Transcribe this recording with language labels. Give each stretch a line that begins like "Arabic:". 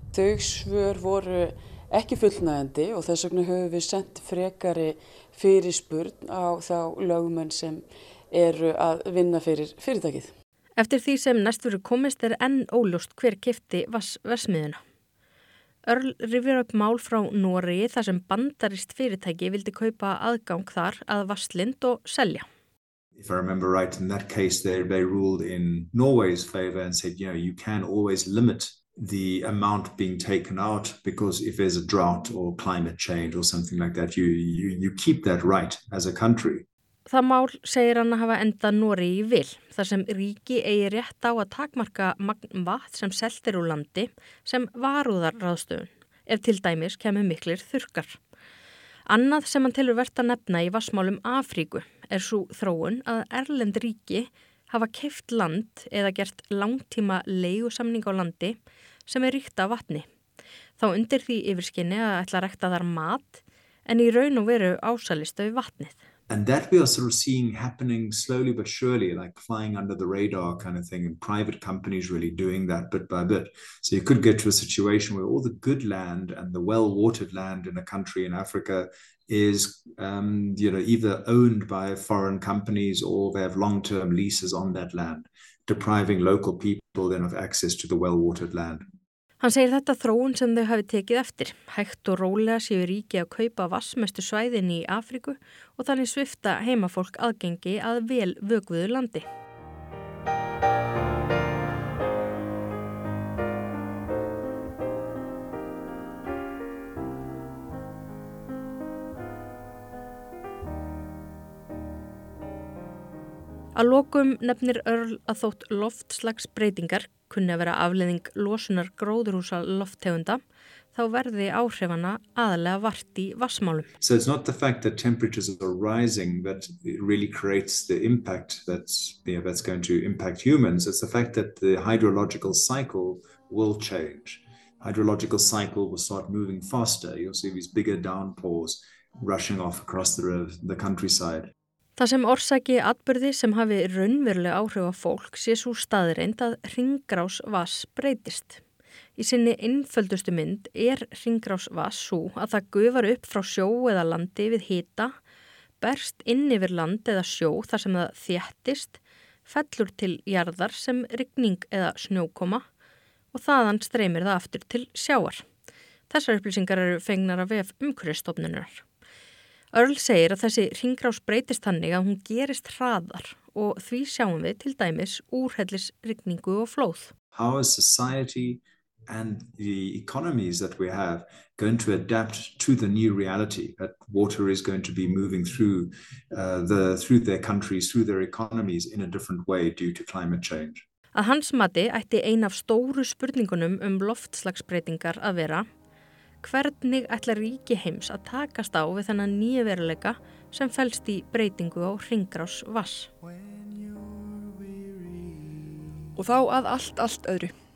Icelandic: Þau svör voru ekki fullnægjandi og þess vegna höfum við sent frekari fyrirspurn á þá lögumenn sem eru að vinna fyrir fyrirtækið. Eftir því sem næst verður komist enn óljóst hver keypti vatnsverksmiðjuna. Earl rifjar upp mál frá Noregi þar sem bandarískt fyrirtæki vildi kaupa aðgang þar að vatnslind og selja.
English: If I remember right, in that case they ruled in Norway's favor and said, you know, you can always limit the amount being taken out because if there's a drought or climate change or something like that, you keep that right as a country.
Icelandic: Það mál segir hann að hafa endað Noregi vil, þar sem ríki eigi rétt á að takmarka magn vatn sem selt úr landi sem varúðar ráðstöfun, ef til dæmis kemur miklir þurkar. Annað sem hann telur vert að nefna í vatnsmálum Afríku er sú þróun að erlend ríki hafa keypt land eða gert langtíma leigusamning á landi sem ríkt af vatni. Þá undir því yfirskinni að ætla að rækta þar mat en í raun og veru ásælist af vatnið.
English: And that we are sort of seeing happening slowly but surely, like flying under the radar kind of thing, and private companies really doing that bit by bit. So you could get to a situation where all the good land and the well-watered land in a country in Africa is, you know, either owned by foreign companies or they have long-term leases on that land, depriving local people then of access to the well-watered land.
Icelandic: Hann segir þetta þróun sem þau hafi tekið eftir. Hægt og rólega séu ríki að kaupa vatnsmestu svæðin í Afríku og þannig svifta heimafólk aðgengi að vel vökuðu landi. Að lokum nefnir Earl að þótt loftslagsbreytingar kunni að vera afleiðing losunar gróðurhúsa lofttegunda, þá verði áhrifana aðalega vart í vatnsmálum.
English: So it's not the fact that temperatures are rising that really creates the impact that's going to impact humans. It's the fact that the hydrological cycle will change. Hydrological cycle will start moving faster. You'll see these bigger downpours rushing off across the countryside.
Icelandic: Það sem orsaki atburði sem hafi raunveruleg áhrif á fólk sé svo staðreynd að hringrás vass breytist. Í sinni einföldustu mynd er hringrás vass svo að það gufar upp frá sjó eða landi við hita, berst inn yfir land eða sjó þar sem það þéttist, fellur til jarðar sem rigning eða snjókoma og þaðan streymir það aftur til sjávar. Þessar upplýsingar eru fengnar af vef Umhverfisstofnunar. Earl segir að þessi hringrás breytist þannig að hún gerist hraðar og því sjáum við til dæmis úrhellis rigningu og flóð.
English: How is society and the economies that we have going to adapt to the new reality that water is going to be moving through through their countries, through their economies in a different way due to climate change?
Icelandic: Að hans mati ætti ein af stóru spurningunum loftslagsbreytingar að vera Hvernig ætlar ríki heims að takast á við þennan nýja veruleika sem felst í breytingu á hringrás vass? Og þá að allt öðru.